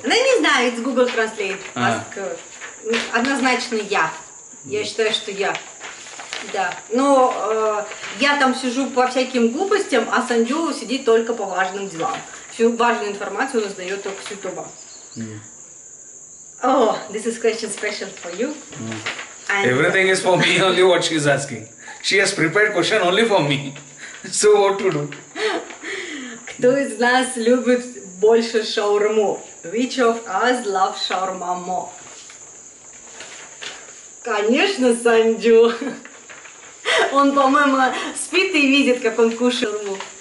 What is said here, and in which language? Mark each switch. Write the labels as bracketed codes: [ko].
[ru] Ну, не знаю, [en] it's Google Translate. Ask. [ru] Однозначно я. Я считаю, что я. Да. Но я там сижу по всяким глупостям, а Санджу сидит только по важным делам. Всю важную информацию он узнает только с YouTube. [en] Oh, this is question special for you. And everything is for me, only what she is asking. She has prepared question only for me. So what to do? [ru] Кто из нас любит больше шаурму? [en] Which of us love шаурма more? [ru] Конечно, Санджу. Он, по-моему, спит и видит, как он кушает шаурму.